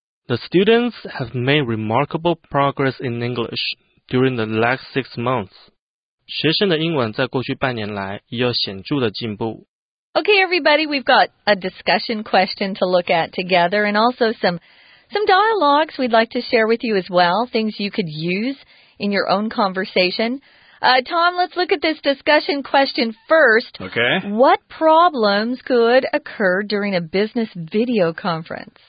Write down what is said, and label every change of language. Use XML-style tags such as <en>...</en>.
<en>The students have made remarkable progress in English during the last 6 months.</en> <zh>学生的英文在过去半年来也有显著的进步。</zh> <en>Okay, everybody, we've got a discussion question to look at together and also some dialogues we'd like to share with you as well, things you could use in your own conversation. Tom, let's look at this discussion question first. Okay. What problems could occur during a business video conference?</en>